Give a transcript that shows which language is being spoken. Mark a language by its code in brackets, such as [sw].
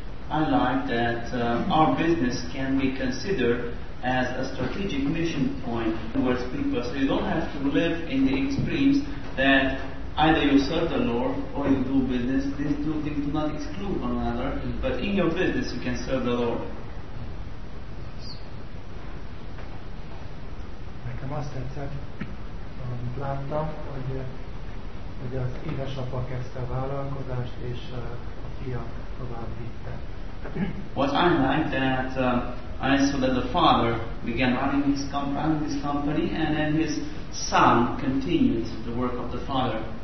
[en] I like that our business can be considered as a strategic mission point towards people. So you don't have to live in the extremes that either you serve the Lord or you do business. These two things do not exclude one another, but in your business you can serve the Lord. [hu] Nekem azt tetszett, amit láttam, hogy az édesapa kezdte a vállalkozást, és a fia tovább vitte. [en] What I like that I saw that the father began running his company, and then his son continued the work of the father.